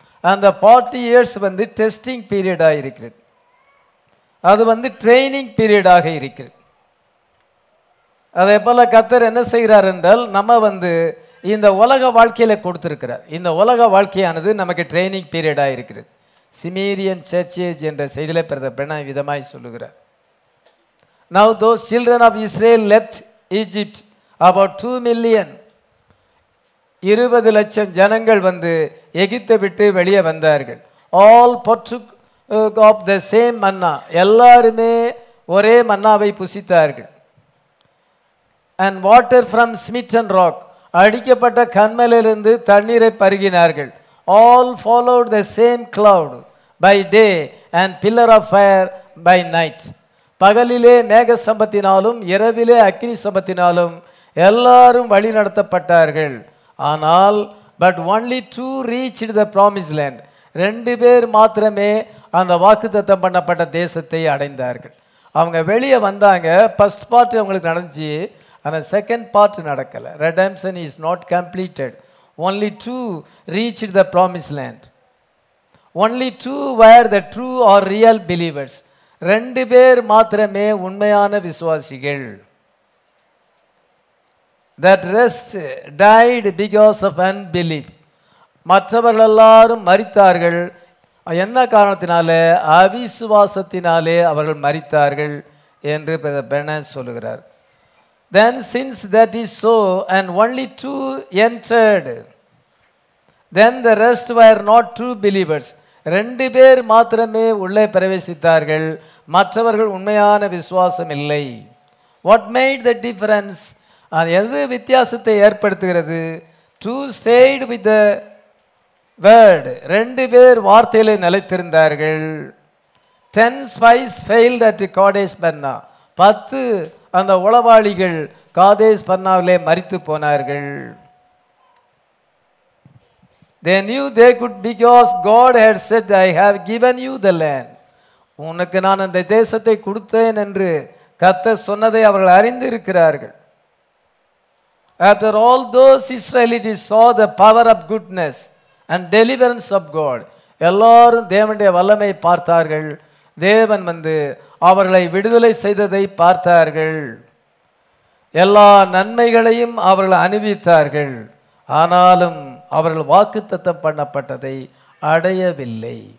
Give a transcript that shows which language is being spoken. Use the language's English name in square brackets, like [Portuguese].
[Tamil] அந்த 40 இயர்ஸ் வந்து டெஸ்டிங் பீரியடாக இருக்கிறது, அது வந்து ட்ரைனிங் பீரியடாக இருக்கிறது. அதே போல் கர்த்தர் என்ன செய்கிறார் என்றால், நம்ம வந்து இந்த உலக வாழ்க்கையில கொடுத்திருக்கிறார். இந்த உலக வாழ்க்கையானது நமக்கு ட்ரைனிங் பீரியடா இருக்கிறது. சிமேரியன் சர்ச்சேஜ் என்ற செய்தியில பிரதர் பிரணாம் விதமாய் சொல்லுகிறார். [English] Now those children of Israel left Egypt, about 2 million. [Tamil] 20 லட்சம் ஜனங்கள் வந்து எகிப்தை விட்டு வெளியே வந்தார்கள். [English] All partook of the same manna. [Tamil] எல்லாருமே ஒரே மன்னாவை புசித்தார்கள். [English] And water from smitten rock. [Tamil] அடிக்கப்பட்ட கண்மலிலிருந்து தண்ணீரை பருகினார்கள். [English] All followed the same cloud by day and pillar of fire by night. [Tamil] பகலிலே மேக சம்பத்தினாலும் இரவிலே அக்னி சம்பத்தினாலும் எல்லாரும் வழி நடத்தப்பட்டார்கள். [English] ஆனால் but only two reach the promise land. [Tamil] ரெண்டு பேர் மாத்திரமே அந்த வாக்கு தத்தம் பண்ணப்பட்ட தேசத்தை அடைந்தார்கள். அவங்க வெளியே வந்தாங்க. ஃபர்ஸ்ட் பார்ட் அவங்களுக்கு நடந்துச்சு, ஆனால் செகண்ட் பார்ட் நடக்கலை. [English] Redemption is not completed. Only two reach the promise land. Only two were the true or real believers. [Tamil] ரெண்டு பேர் மாத்திரமே உண்மையான விசுவாசிகள். [English] That rest died because of unbelief. [Tamil] மற்றவர்கள் எல்லாரும் மரித்தார்கள். என்ன காரணத்தினாலே? அவிசுவாசத்தினாலே அவர்கள் மரித்தார்கள் என்று பிரதர் பிரணாம் சொல்லுகிறார். [English] Then since that is so and only two entered, then the rest were not true believers. [Tamil] ரெண்டு பேர் மாத்திரமே உள்ளே பிரவேசித்தார்கள், மற்றவர்கள் உண்மையான விசுவாசம் இல்லை. [English] What made the difference? [Tamil] அது எது வித்தியாசத்தை ஏற்படுத்துகிறது? [English] Two stayed with the word. [Tamil] ரெண்டு பேர் வார்த்தையில நிலைத்திருந்தார்கள். [English] Ten spies failed at Kadesh Barnea. [Tamil] பத்து அந்த உளவாளிகள் காதேஸ் பன்னாவிலே மரித்து போனார்கள். [English] They knew they could because God had said, I have given you the land. [Tamil] உனக்கு நான் அந்த தேசத்தை கொடுத்தேன் என்று கர்த்தர் சொன்னதை அவர்கள் அறிந்திருக்கிறார்கள். [English] After all those Israelites saw the power of goodness and deliverance of God. [Tamil] எல்லாரும் தேவனுடைய வல்லமை பார்த்தார்கள். தேவன் வந்து அவர்களை விடுதலை செய்ததை பார்த்தார்கள். எல்லா நன்மைகளையும் அவர்கள் அனுபவித்தார்கள். ஆனாலும் அவர்கள் வாக்கு தத்தம் பண்ணப்பட்டதை அடையவில்லை.